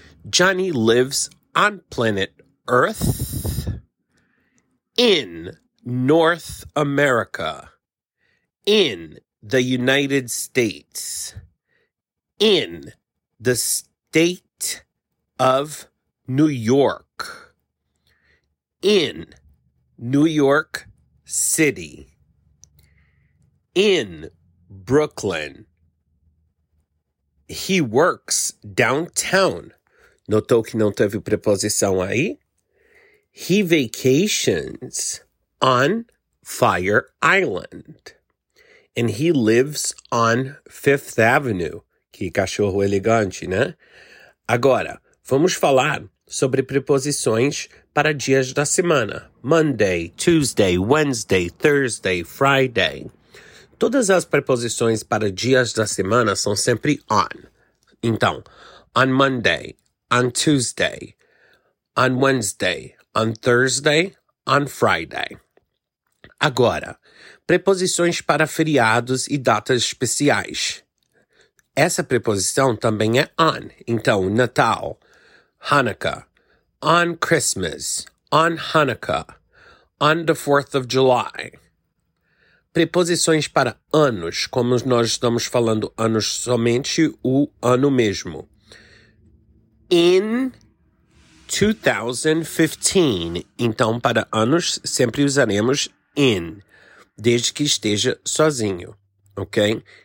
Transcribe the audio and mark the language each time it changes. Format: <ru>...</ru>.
<en>Johnny lives on planet Earth in North America, in the United States, in the state of New York, in New York City, in Brooklyn. He works downtown.</en> <pt>Notou que não teve preposição aí?</pt> <en>He vacations on Fire Island. And he lives on Fifth Avenue.</en> <pt>Que cachorro elegante, né? Agora, vamos falar sobre preposições para dias da semana.</pt> <en>Monday, Tuesday, Wednesday, Thursday, Friday.</en> <pt>Todas as preposições para dias da semana são sempre on. Então,</pt> <en>on Monday, on Tuesday, on Wednesday, on Thursday, on Friday.</en> <pt>Agora, preposições para feriados e datas especiais. Essa preposição também é on. Então, Natal,</pt> <en>Hanukkah, on Christmas, on Hanukkah, on the 4th of July.</en> <pt>Preposições para anos, como nós estamos falando anos, somente o ano mesmo.</pt> <en>In 2015.</en> <pt>Então, para anos, sempre usaremos in, desde que esteja sozinho, ok?</pt>